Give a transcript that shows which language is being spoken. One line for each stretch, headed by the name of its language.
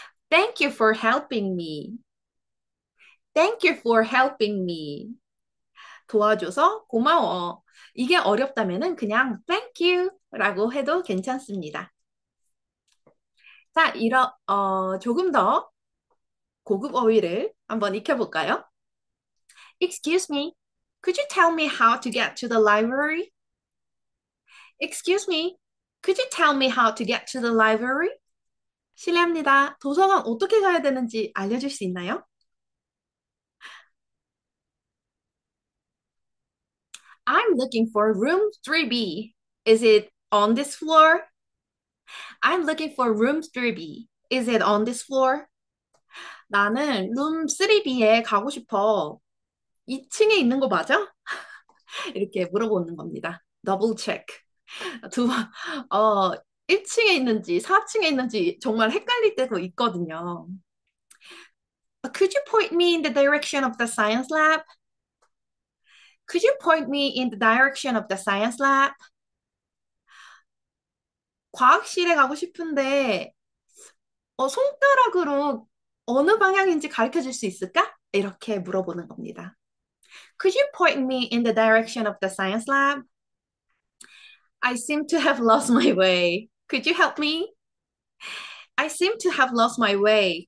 English: Thank you for helping me. Thank you for helping me.
Korean: 도와줘서 고마워. 이게 어렵다면 그냥
English: thank you
Korean: 라고 해도 괜찮습니다. 자, 이런 조금 더 고급 어휘를 한번 익혀볼까요?
English: Excuse me. Could you tell me how to get to the library? Excuse me, could you tell me how to get to the library?
Korean: 실례합니다. 도서관 어떻게 가야 되는지 알려줄 수 있나요?
English: I'm looking for room 3B. Is it on this floor? I'm looking for room 3B. Is it on this floor?
Korean: 나는 룸 3B에 가고 싶어. 2층에 있는 거 맞아? 이렇게 물어보는 겁니다. 더블 체크. 두 번, 1층에 있는지 4층에 있는지 정말 헷갈릴 때도 있거든요.
English: Could you point me in the direction of the science lab? Could you point me in the direction of the science lab?
Korean: 과학실에 가고 싶은데, 손가락으로 어느 방향인지 가르쳐 줄수 있을까? 이렇게 물어보는 겁니다.
English: Could you point me in the direction of the science lab? I seem to have lost my way. Could you help me? I seem to have lost my way.